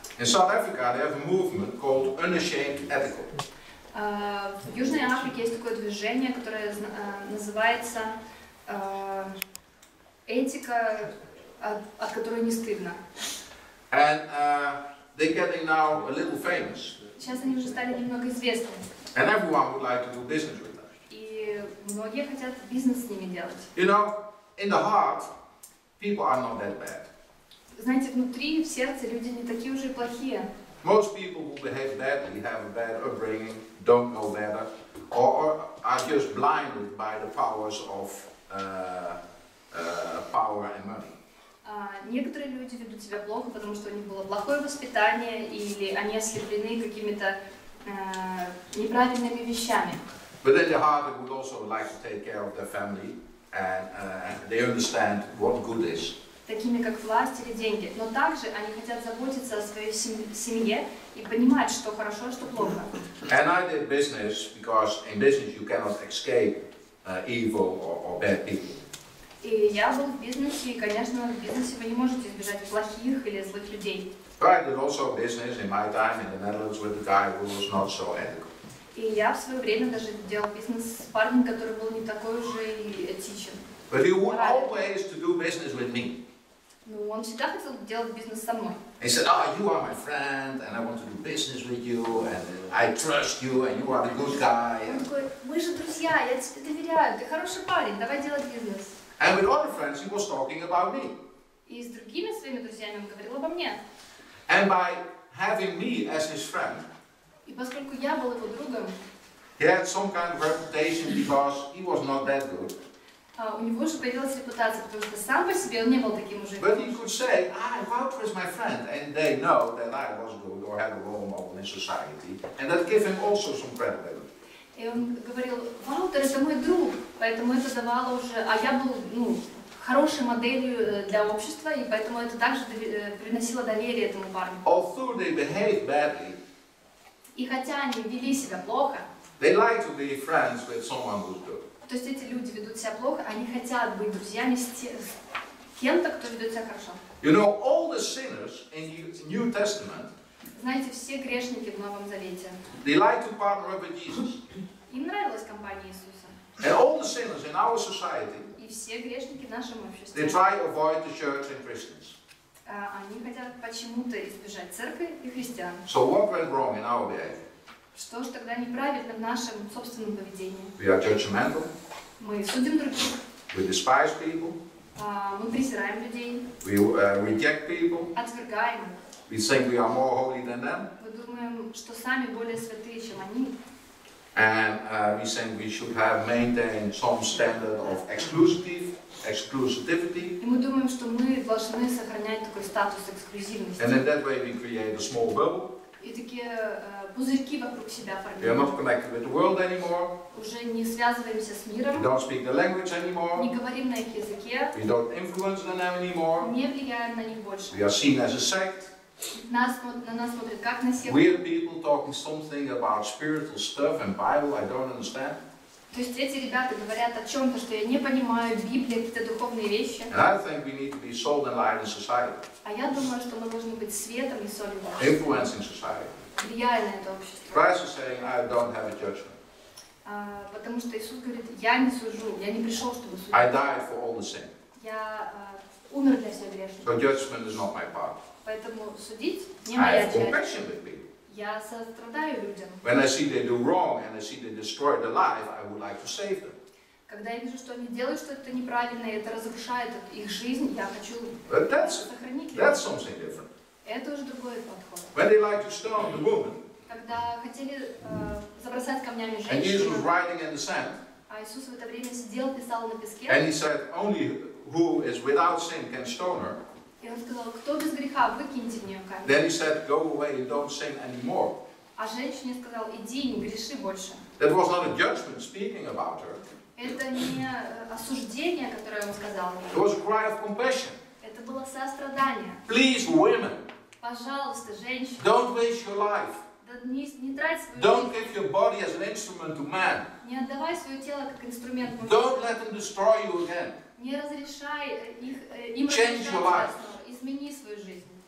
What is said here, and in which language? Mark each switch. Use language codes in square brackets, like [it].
[en] In South Africa they have a movement called Unashamed Ethical. [ru] В Южной Африке есть такое движение, которое называется этика, от которой не стыдно. [en] And they're getting now a little famous. [ru] Сейчас они уже стали немного известными. [en] And everyone would like to do business with us. [ru] И многие хотят бизнес с ними делать. [en] You know, in the heart, people are not that bad. [ru] Знаете, внутри, в сердце, люди не такие уже плохие. [en] Most people who behave badly, have a bad upbringing, don't know better, or are just blinded by the powers of power and money. [ru] Некоторые люди ведут себя плохо, потому что у них было плохое воспитание, или они ослеплены какими-то неправильными вещами. [en] But in their heart, they would also like to take care of their family, and they understand what good is. [ru] Такими как власть или деньги, но также они хотят заботиться о своей семье и понимать, что хорошо, что плохо. [en] And I did business because in business you cannot escape evil or bad people. [ru] И я был в бизнесе, и, конечно, в бизнесе вы не можете избежать плохих или злых людей. [en] But I did also business in my time in the Netherlands with a guy who was not so ethical. [ru] И я в свое время даже делал бизнес с парнем, который был не такой уже и этичен. [en] But he would always to do business with me. [ru] Ну, он всегда хотел делать бизнес со мной. [en] He said, "Oh, you are my friend, and I want to do business with you, and I trust you, and you are a good guy." [ru] Он такой, мы же друзья, я тебе доверяю, ты хороший парень, давай делать бизнес. [en] And with other friends, he was talking about me. [ru] И с другими своими друзьями он говорил обо мне. [en] And by having me as his friend, [ru] и поскольку я был его другом, [en] he had some kind of reputation because he was not that good. [ru] У него уже появилась репутация, потому что сам по себе он не был таким уже. [en] But he could say, "I vouch for my friend, and they know that I was good or had a role model in society, and that gave him also some credibility." [ru] И он говорил, "Ваутер это мой друг, поэтому это давало уже, а я был хорошей моделью для общества, и поэтому это также приносило доверие этому парню." [en] Although they behaved badly, [ru] и хотя они вели себя плохо, [en] they like to be friends with someone who's good. [ru] То есть эти люди ведут себя плохо, они хотят быть друзьями с кем-то, кто ведет себя хорошо. [en] You know, all the sinners in the New Testament, [ru] знаете, все грешники в Новом Завете, [en] they like to partner up with Jesus. [ru] Им нравилась компания Иисуса. [en] And all the sinners in our society, [ru] и все грешники в нашем обществе, [en] they try to avoid the church and Christians. [ru] Они хотят почему-то избежать церкви и христиан. [en] So what went wrong in our behavior? [ru] Что ж тогда неправильно в нашем собственном поведении? [en] We are judgmental. [ru] Мы судим других. [en] We despise people. [ru] Мы презираем людей. [en] We reject people. [ru] Отвергаем. [en] We think we are more holy than them. [ru] Мы думаем, что сами более святые, чем они. [en] And we think we should have maintained some standard of exclusivity. [ru] И мы думаем, что мы должны сохранять такой статус эксклюзивности. [en] And in that way we create a small bubble. [ru] И такие пузырьки вокруг себя формируют. [en] We are not connected with the world anymore. [ru] Уже не связываемся с миром. [en] We don't speak the language anymore. [ru] Не говорим на их языке. [en] We don't influence them anymore. [ru] Не влияем на них больше. [en] We are seen as a sect. [ru] На нас смотрят как на секту. [en] Weird people talking something about spiritual stuff and Bible I don't understand. [ru] То есть эти ребята говорят о чем-то, что я не понимаю, Библия, какие-то духовные вещи. [en] And I think we need to be salt and light in society. [ru] А я думаю, что мы должны быть светом и солью в обществе. [en] Influencing society. [ru] Влияя на это общество. [en] Christ is saying, I don't have a judgment. [ru] Потому что Иисус говорит, я не сужу, я не пришел, чтобы судить. [en] I died for all the sin. [ru] Я умер для всех грешников. [en] So judgment is not my part. [ru] Поэтому судить не моя часть. [en] I have compassion with people. [ru] Я сострадаю людям. [en] When I see they do wrong and I see they destroy the life, I would like to save them. [ru] Когда я вижу, что они делают что-то неправильное, это разрушает их жизнь, я хочу сохранить людей. [en] That's something different. [ru] Это уже другой подход. [en] When they like to stone the woman. [ru] Когда хотели забросать камнями женщину. [en] And Jesus was writing in the sand. [ru] А Иисус в это время сидел, писал на песке. [en] And he said, "Only who is without sin can stone her." [ru] И он сказал, кто без греха, выкиньте в нее камень. [en] Then he said, "Go away and don't sin anymore." [ru] А женщине сказал, иди, не греши больше. [en] That was not a judgment speaking about her. [ru] Это не осуждение, которое он сказал ей. [en] It was a cry of compassion. [ru] Это было сострадание. [en] Please, women. [ru] Пожалуйста, женщины. [en] Don't waste your life. [ru] Да не трать свою жизнь. [en] Don't give your body as an instrument to man. [ru] Не отдавай свое тело как инструмент мужчине. [en] Don't let them destroy you again. [ru] Не разрешай их, им разрешать, измени свою жизнь.